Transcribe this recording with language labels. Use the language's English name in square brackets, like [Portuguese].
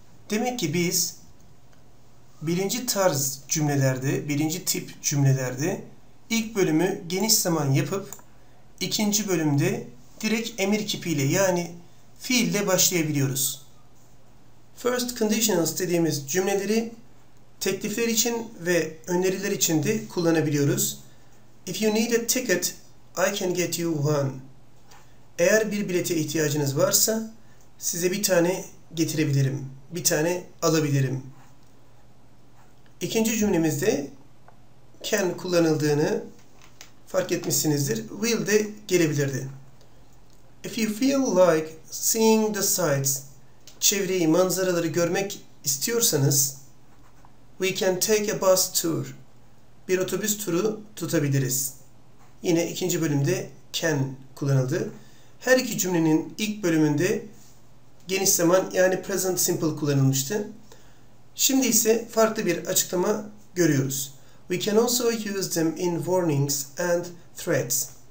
[Turkish] Demek ki biz birinci tarz cümlelerde, birinci tip cümlelerde ilk bölümü geniş zaman yapıp ikinci bölümde direkt emir kipiyle yani fiille başlayabiliyoruz. First conditionals dediğimiz cümleleri teklifler için ve öneriler için de kullanabiliyoruz. [English] If you need a ticket, I can get you one. [Turkish] Eğer bir bilete ihtiyacınız varsa size bir tane getirebilirim, bir tane alabilirim. İkinci cümlemizde can kullanıldığını fark etmişsinizdir. Will de gelebilirdi. [English] If you feel like seeing the sights, [Turkish] çevreyi, manzaraları görmek istiyorsanız, [English] we can take a bus tour. [Turkish] Bir otobüs turu tutabiliriz. Yine ikinci bölümde can kullanıldı. Her iki cümlenin ilk bölümünde geniş zaman yani present simple kullanılmıştı. Şimdi ise farklı bir açıklama görüyoruz. [English] We can also use them in warnings and threats.